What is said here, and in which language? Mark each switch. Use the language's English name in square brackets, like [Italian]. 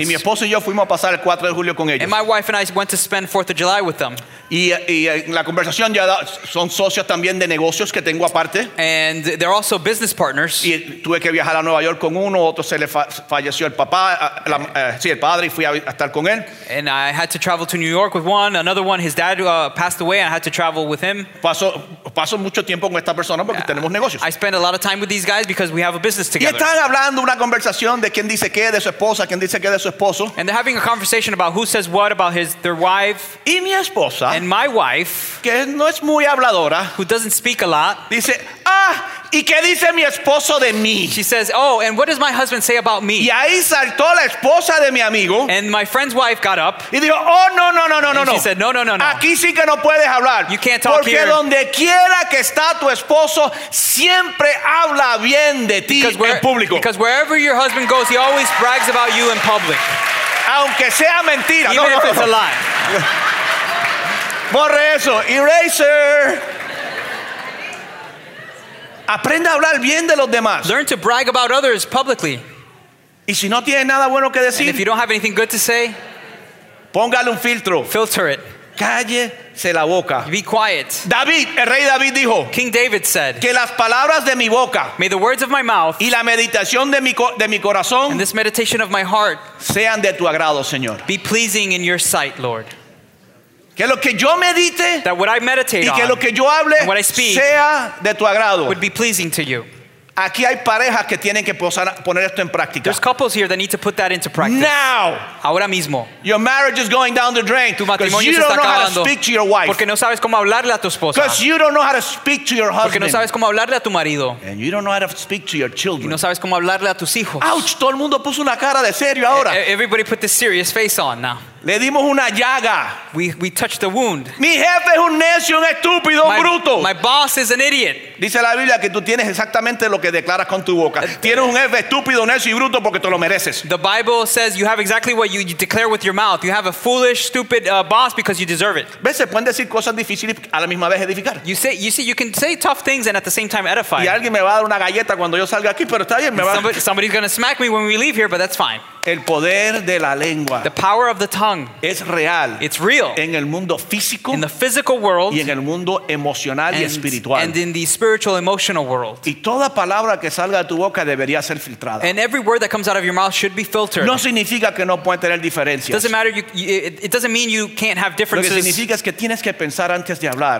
[Spanish] Y mi esposo y yo fuimos a pasar el 4 de julio con ellos. [English] And my wife and I went to spend 4th of July with them. [Spanish] Y en la conversación ya son socios también de negocios que tengo aparte. [English] And they're also business partners. [Spanish] Y tuve que viajar a Nueva York con uno, otro se le falleció el papá, sí, el padre, y fui a estar con él. [English] And I had to travel to New York with one. Another one, his dad passed away, and I had to travel with him. [Spanish] Paso mucho tiempo con esta persona porque tenemos negocios. [English] I spend a lot of time with these guys because we have a business together. [Spanish] Y están hablando una conversación de quién dice qué de su esposa, quién dice qué de su esposo. [English] And they're having a conversation about who says what about their wife. [Spanish] Y mi esposa. [English] And my wife, [Spanish] que no es muy habladora, [English] who doesn't speak a lot, [Spanish] dice, ah, ¿y qué dice mi esposo de mí? [English] She says, oh, and what does my husband say about me? [Spanish] Y ahí saltó la esposa de mi amigo. [English] And my friend's wife got up. [Spanish] Y dijo, oh, no, no, no, no, [English] and [Spanish] no, no. [English] She said, no, no, no, no. [Spanish] Aquí sí que no puedes hablar. [English] You can't talk [Spanish] porque [English] here. [Spanish] Porque donde quiera que está tu esposo, siempre habla bien de ti en público. [English] Because wherever your husband goes, he always brags about you in public. [Spanish] Aunque sea mentira. [English] Even [Spanish] no, [English] if [Spanish] no, [English] it's [Spanish] no. [English] a lie. [Spanish] Borre eso. Eraser. Aprenda a hablar bien de los demás. [English] Learn to brag about others publicly. [Spanish] Y si no tiene nada bueno que decir, [English] and if you don't have anything good to say, [Spanish] póngale un filtro. [English] Filter it. [Spanish] Cállese la boca. [English] Be quiet. [Spanish] David, el rey David dijo, [English] King David said, [Spanish] que las palabras de mi boca, [English] may the words of my mouth, [Spanish] y la meditación de mi corazón, [English] and this meditation of my heart, [Spanish] sean de tu agrado, Señor. [English] Be pleasing in your sight, Lord. [Spanish] Que lo que yo medite, [English] that what I meditate [Spanish] y que lo que yo hable, [English] and what I speak, [Spanish] sea de tu agrado, [English] would be pleasing to you. [Spanish] Aquí hay parejas que tienen que poner esto en práctica. [English] There's couples here that need to put that into practice. Now. [Spanish] Ahora mismo. [English] Your marriage is going down the drain. [Spanish] Tu matrimonio se está acabando. [English] Because you don't know how to speak to your wife. [Spanish] Porque no sabes cómo hablarle a tu esposa. [English] Because you don't know how to speak to your husband. [Spanish] Porque no sabes cómo hablarle a tu marido. [English] And you don't know how to speak to your children. [Spanish] Y no sabes cómo hablarle a tus hijos. Ouch, todo el mundo puso una cara de serio ahora. [English] Everybody put this serious face on now. [Spanish] Le dimos una llaga. [English] We touched the wound. [Spanish] Mi jefe es un necio, un estúpido, un bruto. [English] My boss is an idiot. [Spanish] Dice la Biblia que tú tienes exactamente lo que declaras con tu boca. Tienes un jefe estúpido, necio y bruto porque te lo mereces. [English] The Bible says you have exactly what you declare with your mouth. You have a foolish, stupid boss because you deserve it. [Spanish] ¿Ves? Se pueden decir cosas difíciles a la misma vez edificar. [English] You can say tough things and at the same time edify. [Spanish] Y alguien me va a dar una galleta cuando yo salga aquí, pero está bien, me va. [English] Somebody's gonna smack me when we leave here, but that's fine. [Spanish] El poder de la lengua. [English] The power of the tongue. [Spanish] Es real. [English] It's real. [Spanish] En el mundo físico. [English] In the physical world. [Spanish] Y en el mundo emocional y espiritual. [English] And in the spiritual, emotional world. [Spanish] Y toda palabra que salga de tu boca debería ser filtrada. [English] And every word that comes out of your mouth should be filtered. [Spanish] No significa que no puede tener diferencias. [English] Doesn't matter. It doesn't mean you can't have differences. [Spanish] Lo que significa es que tienes que pensar antes de hablar.